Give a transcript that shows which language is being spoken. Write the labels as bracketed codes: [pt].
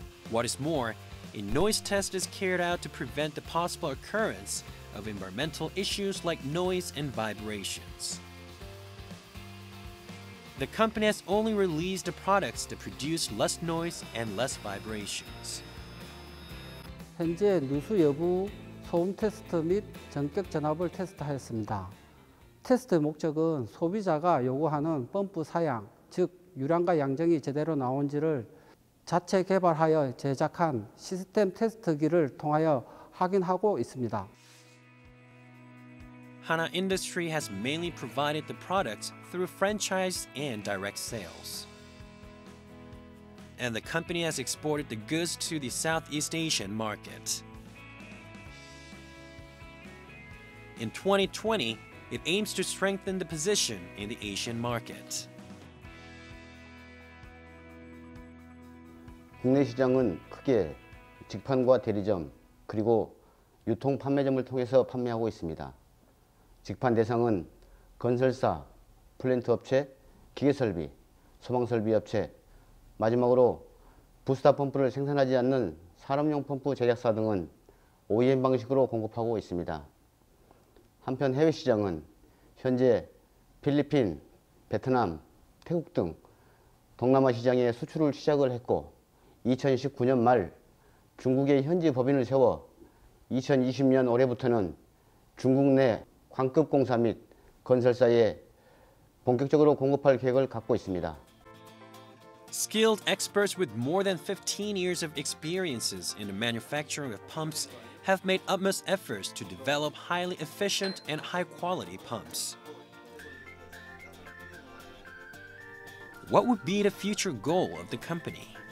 [en] What is more, a noise test is carried out to prevent the possible occurrence of environmental issues like noise and vibrations. The company has only released the products that produce less noise and less vibrations. [ko] 현재 누수 여부, 소음 테스트 및 전격 전압을 테스트하였습니다. 테스트의 목적은 소비자가 요구하는 펌프 사양, 즉 유량과 양정이 제대로 나온지를 자체 개발하여 제작한 시스템 테스트기를 통하여 확인하고 있습니다. [en] Hana Industry has mainly provided the products through franchise and direct sales. And the company has exported the goods to the Southeast Asian market. In 2020, it aims to strengthen the position in the Asian market. [ko] 국내 시장은 크게 직판과 대리점 그리고 유통 판매점을 통해서 판매하고 있습니다. 직판 대상은 건설사, 플랜트 업체, 기계설비, 소방설비 업체, 마지막으로 부스터 펌프를 생산하지 않는 산업용 펌프 제작사 등은 OEM 방식으로 공급하고 있습니다. 한편 해외 시장은 현재 필리핀, 베트남, 태국 등 동남아 시장에 수출을 시작을 했고 2019년 말 중국에 현지 법인을 세워 2020년 올해부터는 중국 내 광급 공사 및 건설사에 본격적으로 공급할 계획을 갖고 있습니다. [en] Skilled experts with more than 15 years of experiences in the manufacturing of pumps have made utmost efforts to develop highly efficient and high-quality pumps. What would be the future goal of the company?